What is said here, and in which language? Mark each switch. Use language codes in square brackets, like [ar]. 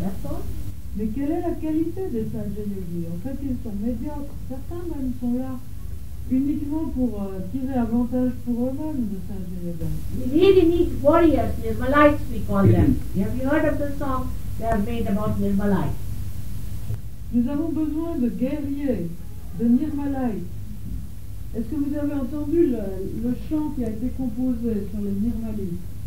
[en] That's all. [fr] Mais quelle est la qualité des sages yogi? En fait, ils sont médiocres. Certains même sont là uniquement pour tirer avantage pour eux-mêmes de sages yogi. [en] We really need warriors. Nirmalites, we call them. Have you heard of the song they have made about Nirmalites? [fr] Nous avons besoin de guerriers, de Nirmalites. Est-ce que vous avez entendu le chant qui a été composé sur les Nirmalites?